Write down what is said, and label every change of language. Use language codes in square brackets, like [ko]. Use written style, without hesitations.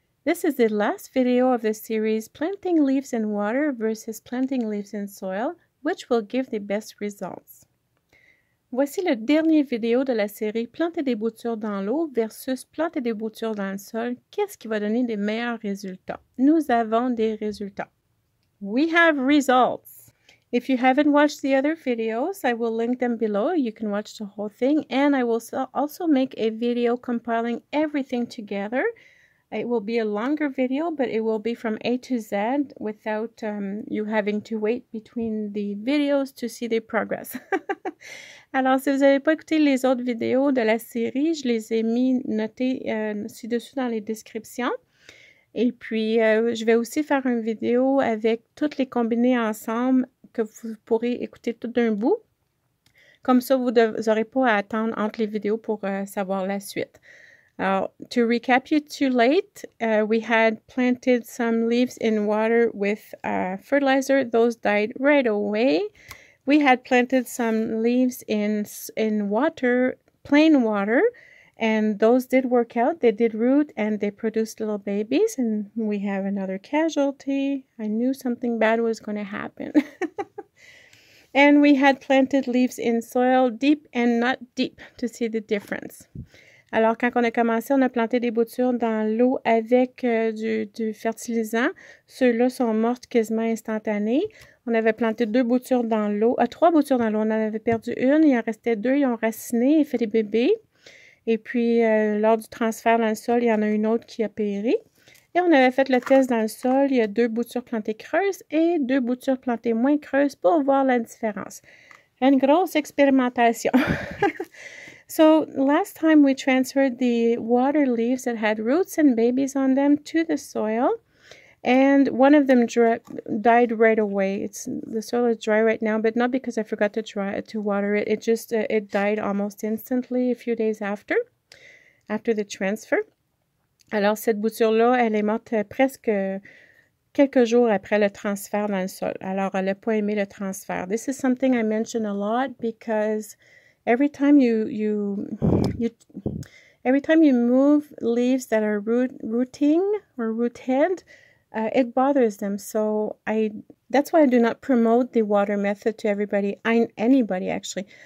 [en] This is the last video of the series planting leaves in water versus planting leaves in soil, which will give the best results. [fr] Voici le dernier vidéo de la série planter des boutures dans l'eau versus planter des boutures dans le sol. Qu'est-ce qui va donner les meilleurs résultats? Nous avons des résultats. [en] We have results. If you haven't watched the other videos, I will link them below. You can watch the whole thing, and I will also make a video compiling everything together. It will be a longer video, but it will be from A to Z without you having to wait between the videos to see the progress. [fr] Alors, si vous n'avez pas écouté les autres vidéos de la série, je les ai mis notées ci-dessous dans les descriptions. Et puis, je vais aussi faire une vidéo avec toutes les combinées ensemble que vous pourrez écouter tout d'un bout. Comme ça, vous n'aurez pas à attendre entre les vidéos pour savoir la suite. [en] Alors, to recapitulate, we had planted some leaves in water with fertilizer. Those died right away. We had planted some leaves in water, plain water, and those did work out. They did root and they produced little babies, and we have another casualty. I knew something bad was going to happen. And we had planted leaves in soil, deep and not deep, to see the difference. [fr] Alors, quand on a commencé, on a planté des boutures dans l'eau avec du fertilisant. Ceux-là sont mortes quasiment instantanées. On avait planté deux boutures dans l'eau, trois boutures dans l'eau. On en avait perdu une, il en restait deux, ils ont raciné et fait des bébés. Et puis, lors du transfert dans le sol, il y en a une autre qui a péri. Et on avait fait le test dans le sol, il y a deux boutures plantées creuses et deux boutures plantées moins creuses pour voir la différence. Une grosse expérimentation! [en] So, last time we transferred the water leaves that had roots and babies on them to the soil, and one of them died right away. The soil is dry right now, but not because I forgot to water it. It just, it died almost instantly a few days after the transfer. [fr] Alors, cette bouture-là, elle est morte presque quelques jours après le transfert dans le sol. Alors, elle n'a pas aimé le transfert. [en] This is something I mention a lot because every time you move leaves that are rooting or rooted, it bothers them. So that's why I do not promote the water method to everybody. Anybody actually.